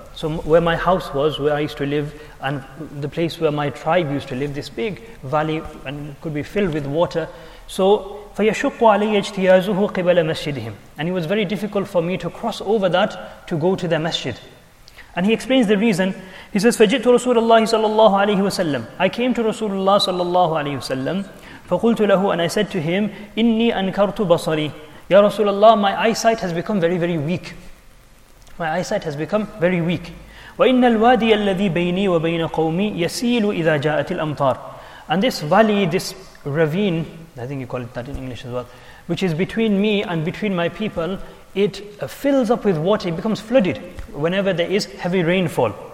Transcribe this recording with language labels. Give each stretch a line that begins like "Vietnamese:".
English: So where my house was, where I used to live, and the place where my tribe used to live, this big valley and could be filled with water. So
Arabic: فَيَشُقُّ عَلَيَّ اجْتِيَازُهُ قِبَلَ مَسْجِدِهِمْ
English: And it was very difficult for me to cross over that to go to the masjid. And he explains the reason. He says,
Arabic: فَجِئْتُ رَسُولَ اللَّهِ صَلَى اللَّهُ عَلَيْهِ وَسَلَّمْ
English: I came to Rasulullah صلى الله عليه وسلم.
Arabic: فَقُلْتُ لَهُ
English: And I said to him,
Arabic: إِنِّي أَنْكَرْتُ بَصَرِي
English: Ya Rasulullah, my eyesight has become very, very weak. My eyesight has become very weak.
Arabic: وَإِنَّ الْوَادِيَ الَّذِي بَيْنِي وَبَيْنَ قَوْمِي يَسِيلُ إِذَا جَاءَتِ الْأَمْطَارِ
English: And this valley, this ravine, I think you call it that in English as well, which is between me and between my people, it fills up with water, it becomes flooded whenever there is heavy rainfall.